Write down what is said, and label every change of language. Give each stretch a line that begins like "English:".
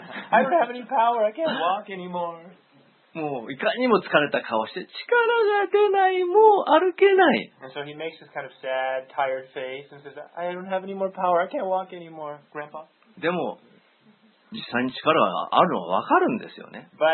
English: I don't have any power, I can't walk anymore.
Japanese: もういかにも疲れた顔して、力が出ない、もう歩けない。
English: And so he makes this kind of sad, tired face and says, I don't have any more power, I can't walk anymore, Grandpa.
Japanese: でも、実際に力があるのは分かるんですよね。